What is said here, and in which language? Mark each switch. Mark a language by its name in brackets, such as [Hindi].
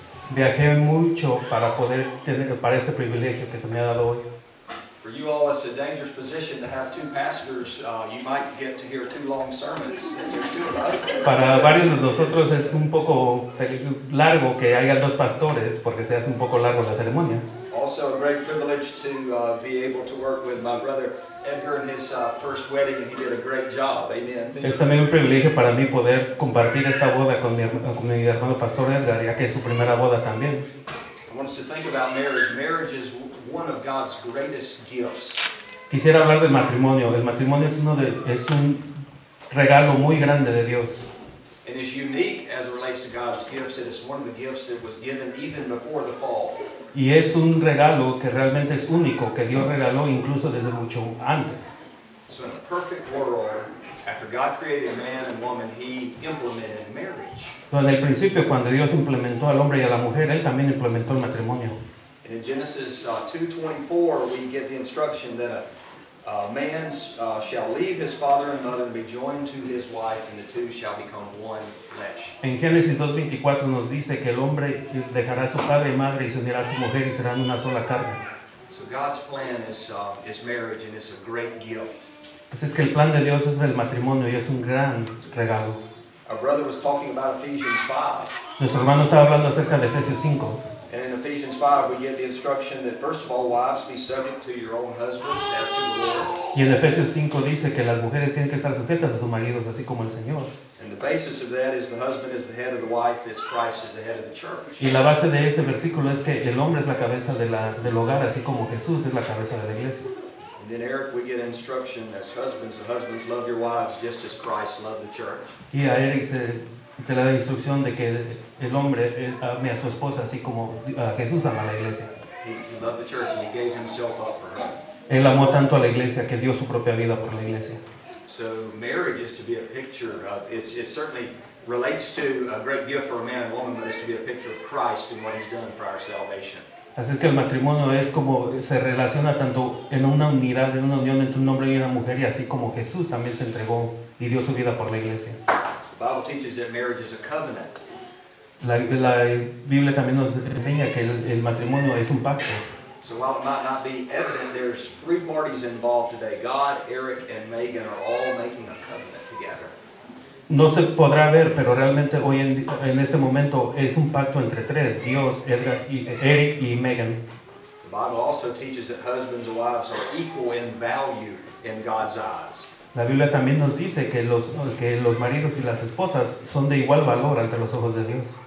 [Spanish] Viajé mucho para poder tener para este privilegio que se me ha dado hoy. [English] For you all, it's a dangerous position to have two pastors. You might get to hear two long sermons. [Spanish] Para varios de nosotros es un poco largo que haya dos pastores porque se hace un poco largo la ceremonia. [English] Also, a great privilege to be able to work with my brother Edgar in his first wedding, and he did a great job. Amen. [Spanish] Es también un privilegio para mí poder compartir esta boda con mi hermano pastor Edgar, ya que es su primera boda también. [English] I want us to think about marriage. Marriage is one of God's greatest gifts. [Spanish] Quisiera hablar del matrimonio. El matrimonio es un regalo muy grande de Dios. [English] It is unique as it relates to God's gifts. It is one of the gifts that was given even before the fall. [Spanish] Y es un regalo que realmente es único, que Dios regaló incluso desde mucho antes. [English] So in a perfect world, after God created man and woman, he implemented marriage. [Spanish] Entonces, en el principio, cuando Dios implementó al hombre y a la mujer, él también implementó el matrimonio. [English] In Genesis 2:24, we get the instruction that a, man shall leave his father and mother and be joined to his wife, and the two shall become one flesh. [Spanish] En Génesis 2:24 nos dice que el hombre dejará a su padre y madre y se unirá a su mujer y serán una sola carne. [English] So God's plan is marriage, and it's a great gift. [Spanish] Así es que el plan de Dios es el matrimonio y es un gran regalo. [English] Our brother was talking about Ephesians 5. [Spanish] Nuestro hermano estaba hablando acerca de Efesios 5. [English] And in Ephesians 5, we get the instruction that first of all, wives be subject to your own husbands as to the Lord. [Spanish] Y en Efesios 5 dice que las mujeres tienen que estar sujetas a sus maridos, así como el Señor. [English] And the basis of that is the husband is the head of the wife, as Christ is the head of the church. [Spanish] Y la base de ese versículo es que el hombre es la cabeza de del hogar, así como Jesús es la cabeza de la iglesia. [English] And then Eric, we get instruction as husbands, the husbands love your wives just as Christ loved the church. [Spanish] Y a Eric se le da instrucción de que el hombre ame a su esposa así como Jesús ama a la iglesia. [English] He loved the church and he gave himself up for her. [Spanish] Él amó tanto a la iglesia que dio su propia vida por la iglesia. [English] So marriage is to be a picture of, it certainly relates to a great gift for a man and woman, but it's to be a picture of Christ and what he's done for our salvation. [Spanish] Así es que el matrimonio es como se relaciona tanto en una unidad, en una unión entre un hombre y una mujer, y así como Jesús también se entregó y dio su vida por la iglesia. [English] The Bible teaches that marriage is a covenant. [Spanish] La Biblia también nos enseña que el matrimonio es un pacto. [English] So while it might not be evident, there's three parties involved today. God, Eric, and Megan are all making a covenant together. [Spanish] No se podrá ver, pero realmente hoy en este momento es un pacto entre tres, Dios, Eric y Megan. [English] The Bible also teaches that husbands and wives are equal in value in God's eyes. [Spanish] La Biblia también nos dice que los maridos y las esposas son de igual valor ante los ojos de Dios.